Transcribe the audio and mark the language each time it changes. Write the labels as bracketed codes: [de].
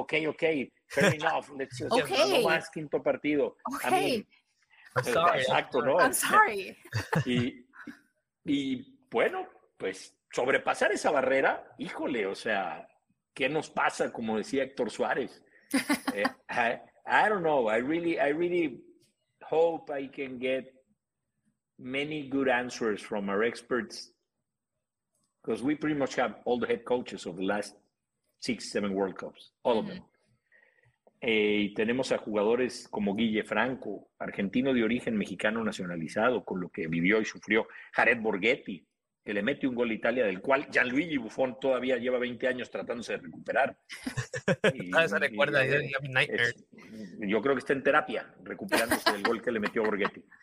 [en] Ok, fair enough. Let's just okay. [es] No más quinto partido. [en] Okay. I mean, [es] exacto, ¿no? [en] I'm sorry. [es] Y bueno, pues sobrepasar esa barrera, híjole, o sea, ¿qué nos pasa? Como decía Héctor Suárez. [en] I don't know. I really hope I can get many good answers from our experts. Because we pretty much have all the head coaches of the last 6-7 World Cups, all of them. [es] Y tenemos a jugadores como Guille Franco, argentino de origen mexicano nacionalizado, con lo que vivió y sufrió. Jared Borghetti, que le mete un gol a Italia, del cual Gianluigi Buffon todavía lleva 20 años tratándose de recuperar. Yo creo que está en terapia, recuperándose del gol que le metió Borghetti.